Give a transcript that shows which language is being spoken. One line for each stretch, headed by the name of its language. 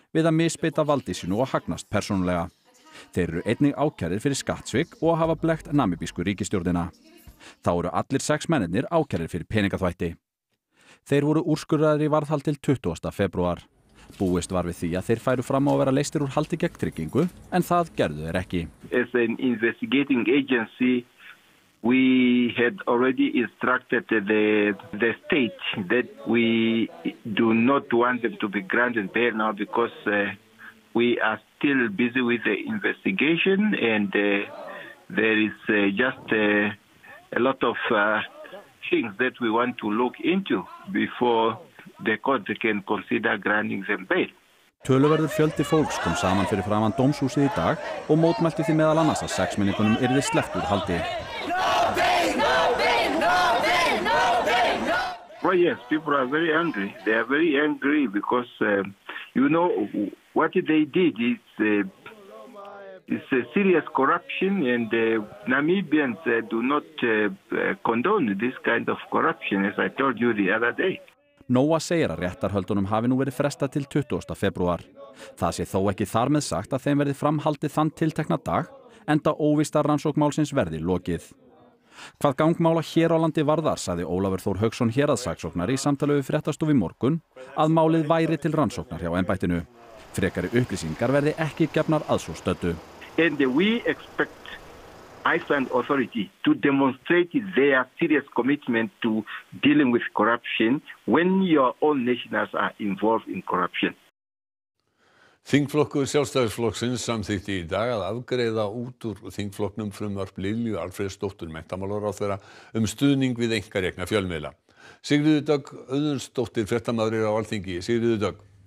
Icelandic: við að misbeita valdi sínu og hagnast persónulega. Þeir eru einnig ákærður fyrir skattsvik og að hafa blekkt namibísku ríkisstjórnina. Þá eru allir sex mennirnir ákærður fyrir peningaþvætti. Þeir voru úrskurðaðir í varðhald til 20. febrúar. Búist var við því að þeir færu fram á að vera leystir úr haldi gegn tryggingu, en það gerðu þeir ekki.
English: As an investigating agency, we had already instructed the state that we do not want them to be granted bail now because we are still busy with the investigation and there is just a lot of things that we want to look into before the court can consider granting them bail.
Icelandic: Töluverður fjöldi fólks kom saman fyrir framan dómshúsið í dag og mótmælti því meðal annars að sexmenningunum yrði sleppt úr haldi.
English: Well, yes, people are very angry. They are very angry because you know what they did is it's a serious corruption and the Namibians do not condone this kind of corruption as I told you the other day.
Icelandic: Nóa segir að réttarhöldunum hafi nú verið frestað til 20. febrúar. Það sé þó ekki þar með sagt að þeim verði framhaldið þann tiltekna dag, enda óvíst að rannsókmálsins verði lokið. Hvað gangmála hér á landi varðar, sagði Ólafur Þór Hauksson héraðssaksóknari í samtali við fréttastofu í morgun, að málið væri til rannsóknar hjá embættinu. Frekari upplýsingar verði ekki gefnar að svo stöddu.
English: And we expect Iceland Authority to demonstrate their serious commitment to dealing with corruption when your own nationals are involved in corruption.
Icelandic: Þingflokkur Sjálfstæðisflokksins samþykkti í dag að afgreiða út úr þingflokknum frumvarp Lilju Alfreðsdóttur menntamálaráðherra stuðning við einkarekna fjölmiðla. Sigríður Dögg Auðunsdóttir fréttamaður er á Alþingi. Sigríður Dögg.